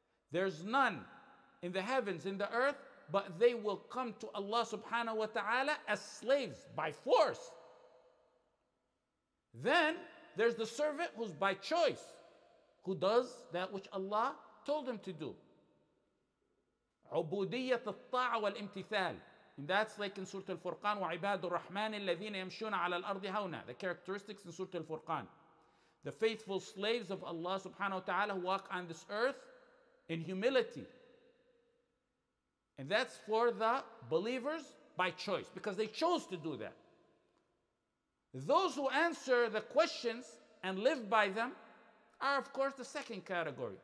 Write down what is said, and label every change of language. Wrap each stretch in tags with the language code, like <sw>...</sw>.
<en>There's none in the heavens, in the earth, but they will come to Allah subhanahu wa ta'ala as slaves by force. Then there's the servant who's by choice, who does that which Allah told him to do.</en> <ar>عبوديه الطاعه والامتثال.</ar> <en>And that's like in Surah Al-Furqan,</en> <ar>وَعِبَادُ الرَّحْمَنِ الَّذِينَ يَمْشُونَ عَلَى الْأَرْضِ هَوْنَا.</ar> <en>The characteristics in Surah Al-Furqan. The faithful slaves of Allah subhanahu wa ta'ala who walk on this earth in humility. And that's for the believers by choice, because they chose to do that. Those who answer the questions and live by them are, of course, the second category.</en>